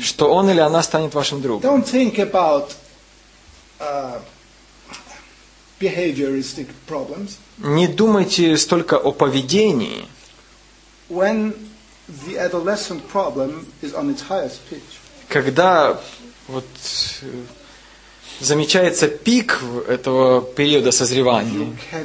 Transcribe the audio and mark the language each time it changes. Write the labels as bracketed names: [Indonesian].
[Russian] Что он или она станет вашим другом. [English] Don't think about behavioristic problems. [Russian] Не думайте столько о поведении. [English] When the adolescent problem is on its highest pitch. [Russian] Когда вот замечается пик этого периода созревания.